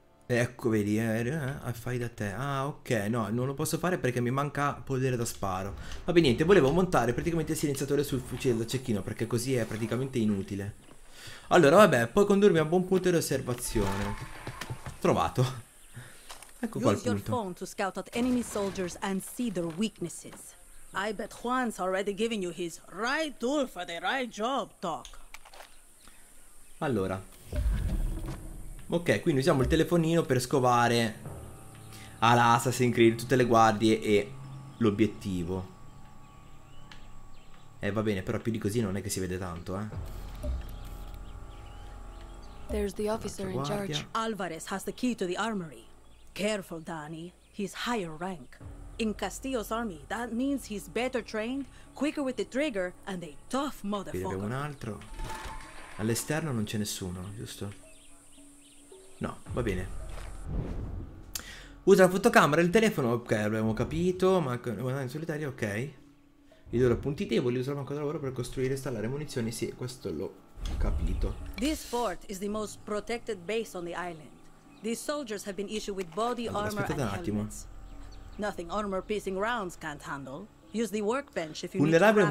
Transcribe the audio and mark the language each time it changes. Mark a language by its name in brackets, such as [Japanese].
[Italian] Ecco, vedi, fai da te. Ah, ok, no, non lo posso fare perché mi manca polvere da sparo. Vabbè, niente, volevo montare praticamente il silenziatore sul fucile da cecchino, perché così è praticamente inutile. Allora, vabbè, puoi condurmi a buon punto di osservazione. Trovato. Ecco qua il punto. [English] Use your phone to scout out enemy soldiers and see their weaknesses. I bet Juan's already given you his right tool for the right job, Doc. [Italian] Allora. Ok, quindi usiamo il telefonino per scovare all'Assassin's Creed tutte le guardie e l'obiettivo. Va bene, però più di così non è che si vede tanto, eh. [English] There's the officer in charge. Alvarez has the key to the armory. Careful, Danny. He's higher rank. In Castillo's army, that means he's better trained, quicker with the trigger, and a tough motherfucker. [Italian] Abbiamo un altro. All'esterno non c'è nessuno, giusto? No, va bene. Usa la fotocamera e il telefono. Ok, abbiamo capito. Ma guardando in solitario, ok. Io do punti deboli, usare banco di lavoro per costruire e installare munizioni. Sì, questo l'ho capito. [English] This fort is the most protected base on the island. These soldiers have been issued with body armor and helmets. Nothing armor piercing rounds can't handle. Use the workbench if you need to craft